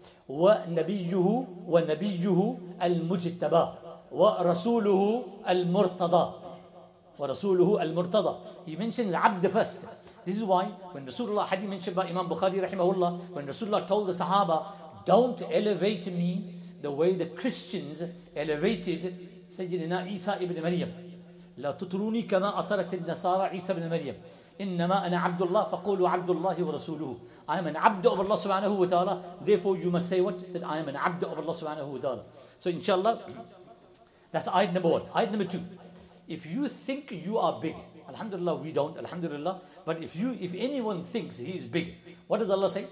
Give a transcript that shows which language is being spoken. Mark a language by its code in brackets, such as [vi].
[ar] ونبيه ونبيه المجتبى ورسوله المرتضى ورسوله المرتضى. [en] He mentions عبد first. This is why when Rasulullah had mentioned by Imam Bukhari rahimahullah, when Rasulullah told the Sahaba, don't elevate me the way the Christians elevated [ar] سيدنا عيسى ابن مريم، لا تطروني كما أطرت النصارى عيسى ابن مريم، إنما أنا عبد الله فقولوا عبد الله ورسوله. [en] I am an عبد of Allah سبحانه وتعالى. Therefore you must say what? That I am an عبد of Allah سبحانه وتعالى. So inshallah, that's ayat number one. Ayat number two. If you think you are big, Alhamdulillah we don't, Alhamdulillah. But if anyone thinks he is big, what does Allah say?